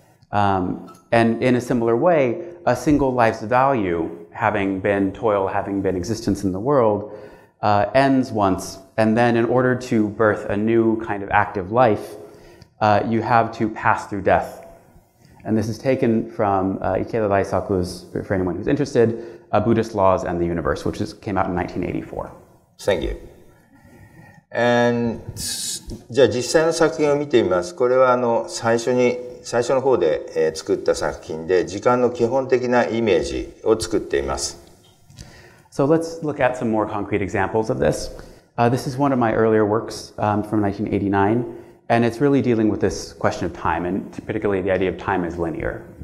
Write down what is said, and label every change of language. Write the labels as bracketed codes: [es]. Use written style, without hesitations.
[en] And in a similar way, a single life's value, having been toil, having been existence in the world, ends once, and then in order to birth a new kind of active life, you have to pass through death. And this is taken from Ikeda Daisaku's, for anyone who's interested, Buddhist Laws and the Universe, which is, came out in 1984. Thank you. [ja] And, じゃあ実際の作品を見てみます。これはあの最初に最初の方で作った作品で時間の基本的なイメージを作っています。 [en] So let's look at some more concrete examples of this. This is one of my earlier works from 1989, and it's really dealing with this question of time, and particularly the idea of time as linear.